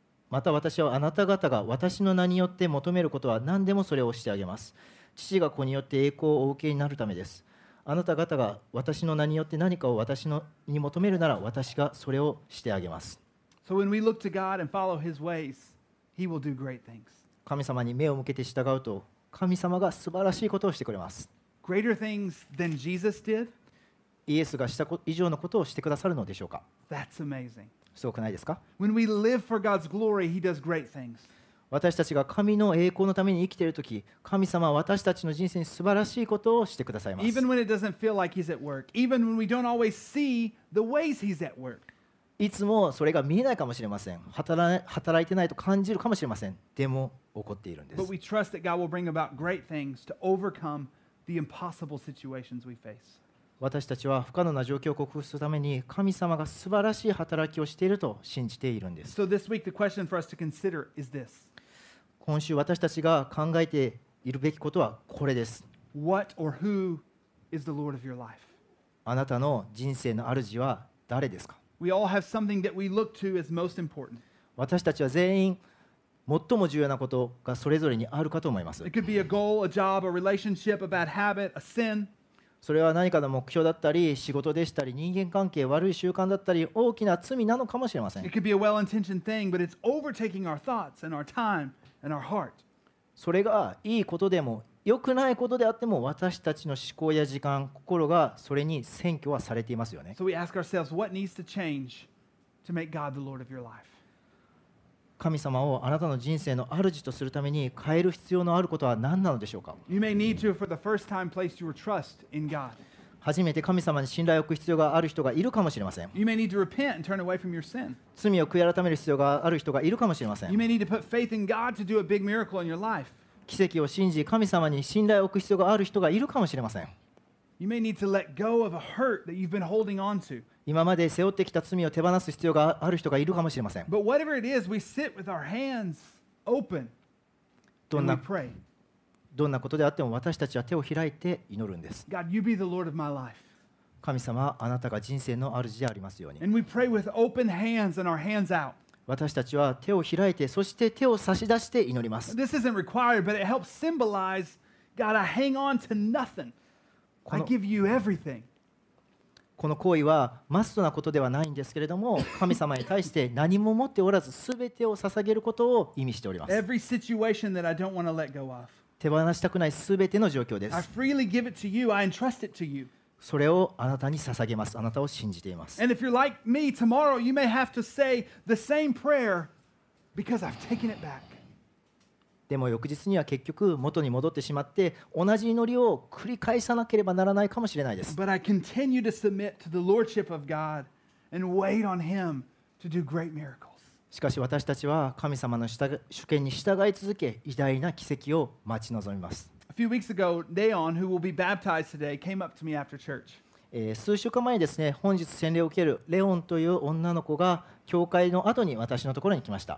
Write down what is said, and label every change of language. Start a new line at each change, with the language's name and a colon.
Japanese: また私はあなた方が私の名によって求めることは何でもそれをしてあげます。父が子によって栄光をお受けになるためです。あなた方が私の名によって何かを私のに求めるなら私がそれをしてあげます。
English: So when we look to God and follow His ways, He will do great things.
Japanese: 神様に目を向けて従うと神様が素晴らしいことをしてくれます。
English: Greater things than Jesus did?
Japanese: イエスがした以上のことをしてくださるのでしょうか。
English: That's amazing.
Japanese: すごくないですか。
English: When we live for God's glory, He does great things.
Japanese: 私たちが神の栄光のために生きているとき、神様は私たちの人生に素晴らしいことをしてくださいます。
English: Even when it doesn't feel like He's at work, even when we don't always see the ways He's at work.
Japanese: いつもそれが見えないかもしれません。働いてないと感じるかもしれません。でも起こっているんです。
English: But we trust that God will bring about great things to overcome the impossible situations we face.
Japanese: 私たちは不可能な状況を克服するために神様が素晴らしい働きをしていると信じているんです。
English: So this week the question for us to consider is this.
Japanese: 今週私たちが考えているべきことはこれです。
English: What or who is the Lord of your life?
Japanese: あなたの人生の主は誰ですか？
English: We all have something that we look to as most important.
Japanese: 私たちは全員最も重要なことがそれぞれにあるかと思います。
English: It could be a goal, a job, a relationship, a bad habit, a sin.
Japanese: それは何かの目標だったり仕事でしたり人間関係悪い習慣だったり大きな罪なのかもしれません。
English: It could be a well-intentioned thing, but it's overtaking our thoughts and our time and our heart.
Japanese: それがいいことでも良くないことであっても私たちの思考や時間、心がそれに占拠はされていますよね。
English: So we ask ourselves, what needs to change to make God the Lord of your life?
Japanese: 神様をあなたの人生の主とするために変える必要のあることは何なのでしょうか。
English: You may need to, for the first time, place your trust in God.
Japanese: 初めて神様に信頼を置く必要がある人がいるかもしれません。
English: You may need to repent and turn away from your sin.
Japanese: 罪を悔い改める必要がある人がいるかもしれません。
English: You may need to put faith in God to do a big miracle in your life.
Japanese: 奇跡を信じ神様に信頼を置く必要がある人がいるかもしれません。
English: You may need to let go of a hurt that you've been holding on to.
Japanese: 今まで背負ってきた罪を手放す必要がある人がいるかもしれません。
English: But whatever it is, we sit with our hands open and we pray.
Japanese: どんなことであっても私たちは手を開いて祈るんです。
English: God, you be the Lord of my life.
Japanese: 神様、あなたが人生の主でありますように。
English: And we pray with open hands and our hands out.
Japanese: 私たちは手を開いて、そして手を差し出して祈ります。
English: This isn't required, but it helps symbolize, God, I hang on to nothing. I give you everything.
Japanese: この行為はマストなことではないんですけれども、神様に対して何も持っておらず、すべてを捧げることを意味しております。
English: Every situation that I don't want to let go of.
Japanese: 手放したくないすべての状況です。
English: I freely give it to you. I entrust it to you.
Japanese: それをあなたに捧げます。あなたを信じています。
English: And if you're like me, tomorrow you may have to say the same prayer because I've taken it back.
Japanese: でも翌日には結局元に戻ってしまって同じ祈りを繰り返さなければならないかもしれないです。
English: But I continue to submit to the Lordship of God and wait on Him to do great miracles.
Japanese: しかし私たちは神様の主権に従い続け偉大な奇跡を待ち望みます。
English: A few weeks ago, Deon, who will be baptized today, came up to me after church.
Japanese: 数週間前にですね、本日洗礼を受けるレオンという女の子が教会の後に私のところに来ました。